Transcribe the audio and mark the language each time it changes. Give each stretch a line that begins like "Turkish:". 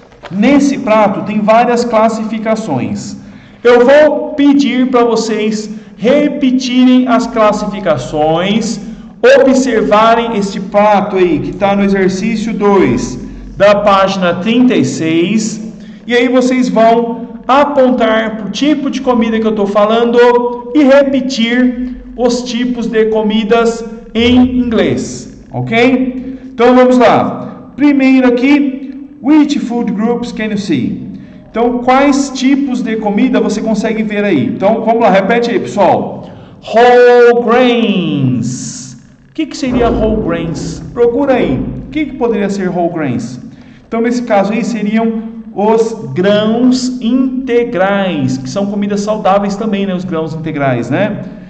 Portuguese: Nesse prato tem várias classificações. Eu vou pedir para vocês repetirem as classificações, observarem este prato aí que está no exercício 2 da página 36, e aí vocês vão apontar para o tipo de comida que eu estou falando e repetir os tipos de comidas em inglês, ok? Então vamos lá. Primeiro aqui,
English: which food groups can you see?
Portuguese: Então, quais tipos de comida você consegue ver aí? Então, vamos lá, repete aí, pessoal.
English: Whole grains.
Portuguese: O que, que seria whole grains? Procura aí. O que, que poderia ser whole grains? Então, nesse caso aí, seriam os grãos integrais, que são comidas saudáveis também, né? Os grãos integrais, né?